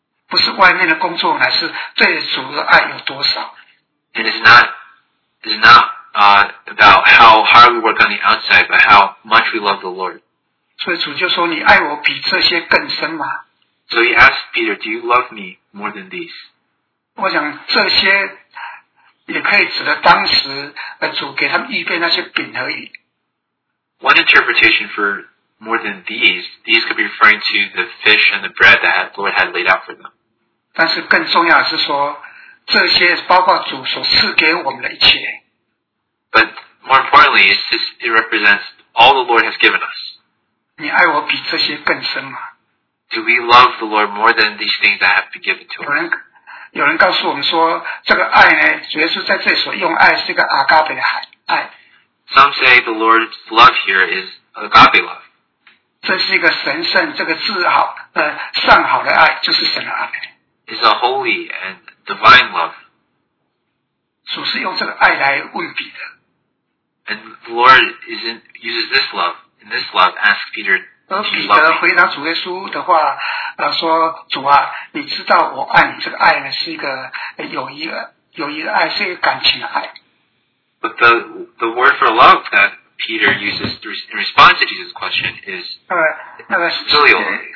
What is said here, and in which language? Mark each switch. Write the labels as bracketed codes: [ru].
[zh] 不是外面的工作乃是对主的爱有多少 [en] And it's not about how hard we work on the outside but how much we love the Lord [zh] 所以主就说你爱我比这些更深嘛 [en] So he asked Peter, "Do you love me more than these?" [zh] 我想这些也可以指的当时主给他们预备那些饼而已。 [en] One interpretation for more than these could be referring to the fish and the bread that the Lord had laid out for them. [zh] 但是更重要的是说，这些包括主所赐给我们的一切。 [en] But more importantly, it represents all the Lord has given us. [zh] 你爱我比这些更深吗？ [en] Do we love the Lord more than these things that have been given to us? [zh] 有人告诉我们说，这个爱呢，主要是在这里所用爱是一个阿加贝的海。爱。 [en] Some say the Lord's love here is agape love. [zh] 这是一个神圣，这个至好，上好的爱，就是神的爱。 [en] It's a holy and divine love. [zh] 主是用这个爱来问彼得。 [en] And the Lord uses this love, and this love asks Peter. [zh] 而彼得回答主耶稣的话，说主啊，你知道我爱你，这个爱呢是一个友谊的爱，是一个感情的爱。 [en] But the word for love that Peter uses in response to Jesus' question is filial.